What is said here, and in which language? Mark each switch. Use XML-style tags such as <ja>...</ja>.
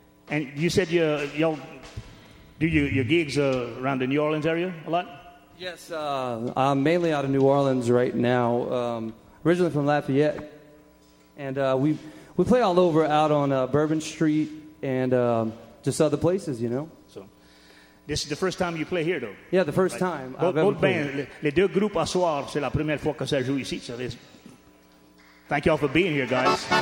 <en>And you said y'all do your gigs around the New Orleans area a lot? Yes, I'm mainly out of New Orleans right now. Originally from Lafayette, and we play all over out on Bourbon Street and just other places, you know. So, this is the first time you play here, though. Yeah, the first time. Both bands,</en> <fr>les deux groupes à soir, c'est la première fois que ça joue ici.</fr> <en>So, thank you all for being here, guys.</en>